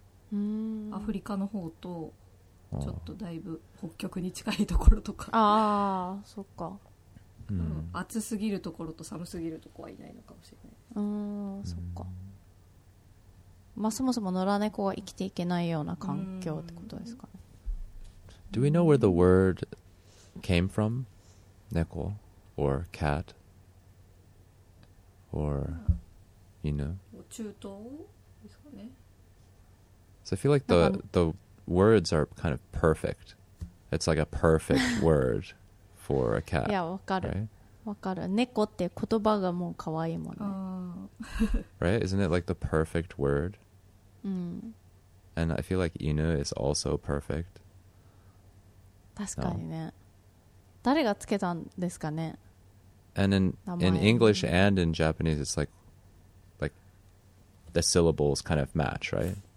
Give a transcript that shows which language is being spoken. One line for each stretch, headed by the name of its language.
Japanese: なんかアフリカの方とちょっとだいぶ北極に近いところとか、ああそっか、暑すぎるところと寒すぎるところはいないのかもしれない。そっか、まあ、そもそも野良猫は生きていけないような環境ってことですかね。
English: Do we know where the word came from? 猫 or cat or 犬、
Japanese: 中東ですかね。
English: So I feel like the words are kind of perfect. It's like a perfect word for a cat.
Japanese: いや、わかる、わかる。猫って言葉がもう可愛いもんね。
English: Right? Isn't it like the perfect word? And I feel like 犬 is also perfect.
Japanese: 確かにね。誰がつけたんですかね。
English: And in English and in Japanese, it's like the syllables kind of match, right?